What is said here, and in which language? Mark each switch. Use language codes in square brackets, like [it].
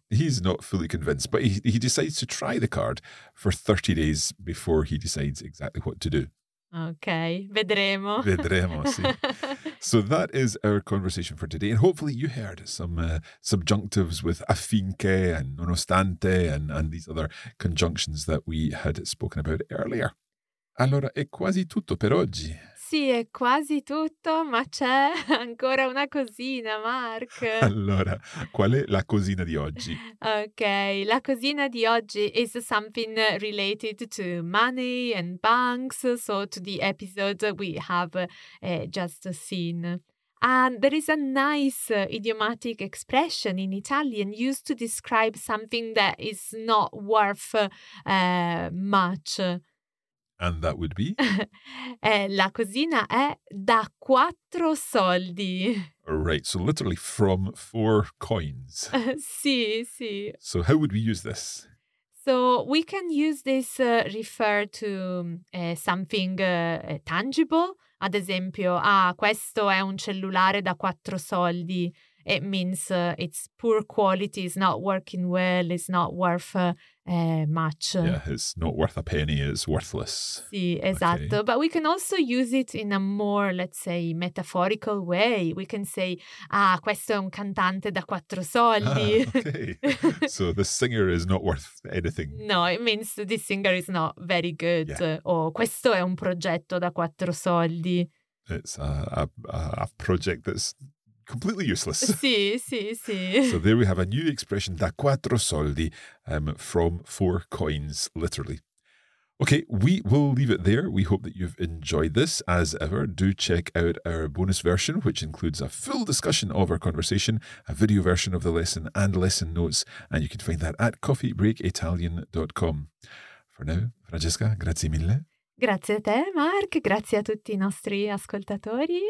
[en] He's not fully convinced, but he decides to try the card for 30 days before he decides exactly what to do. [it] Okay, vedremo. Vedremo, sì. [en] So that is our conversation for today, and hopefully you heard some subjunctives with affinché and nonostante and these other conjunctions that we had spoken about earlier. [it] Allora, è quasi tutto per oggi. Sì, è quasi tutto, ma c'è ancora una cosina, Mark. Allora, qual è la cosina di oggi? [en] Ok, [it] la cosina di oggi [en] is something related to money and banks, so to the episode we have just seen. And there is a nice idiomatic expression in Italian used to describe something that is not worth much. And that would be? [it] La cosina è da quattro soldi. [en] Right, so literally from four coins. [it] Sì. [en] So how would we use this? So we can use this refer to something tangible. [it] Ad esempio, ah, questo è un cellulare da quattro soldi. [en] It means it's poor quality, it's not working well, it's not worth much. Yeah, it's not worth a penny, it's worthless. [it] Sì, [en] Okay. [it] esatto. [en] But we can also use it in a more, let's say, metaphorical way. We can say, ah, [it] questo è un cantante da quattro soldi. [en] Ah, okay. So the singer is not worth anything. No, it means this singer is not very good. Yeah. [it] O questo è un progetto da quattro soldi. [en] It's a project that's completely useless. [it] Sì, sì, sì. [en] So there we have a new expression, [it] da quattro soldi, [en] from four coins, literally. Okay, we will leave it there. We hope that you've enjoyed this. As ever, do check out our bonus version, which includes a full discussion of our conversation, a video version of the lesson and lesson notes. And you can find that at coffeebreakitalian.com. For now, Francesca, [it] grazie mille. Grazie a te, Mark. Grazie a tutti i nostri ascoltatori.